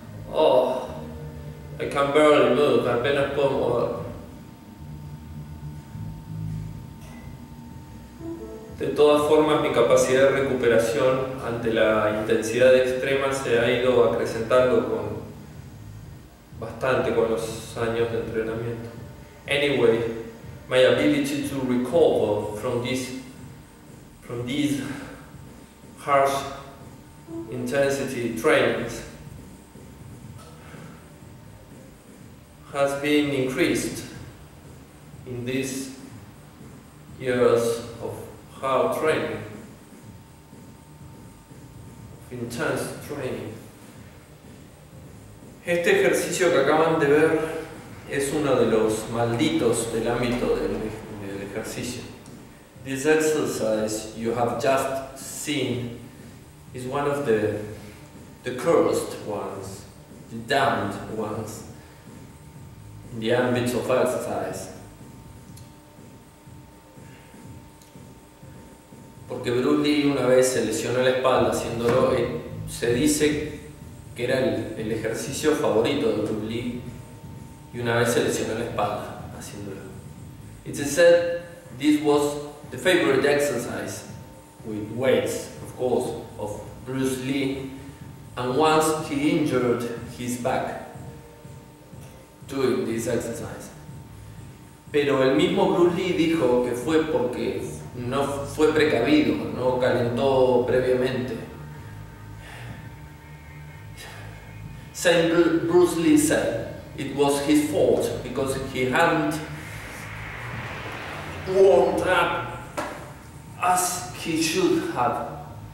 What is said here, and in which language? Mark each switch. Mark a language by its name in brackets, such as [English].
[English] I can barely move, [Spanish] apenas puedo mover. De todas formas, mi capacidad de recuperación ante la intensidad extrema se ha ido acrecentando con bastante con los años de entrenamiento. [English] Anyway, my ability to recover from these harsh intensity trainings has been increased in these years of hard training, of intense training. [Spanish] Este ejercicio que acaban de ver es uno de los malditos del ámbito del ejercicio. [English] This exercise you have just seen is one of the cursed ones, the damned ones, in the ambit of exercise. [Spanish] Porque Bruce Lee una vez se lesionó la espalda haciéndolo, se dice que era el ejercicio favorito de Bruce Lee, y una vez se lesionó la espalda haciéndolo. [English] It is said this was the favorite exercise with weights, of course, of Bruce Lee, and once he injured his back doing this exercise. [Spanish] Pero el mismo Bruce Lee dijo que fue porque no fue precavido, no calentó previamente. [English] Same Bruce Lee said it was his fault because he hadn't warmed up as he should have.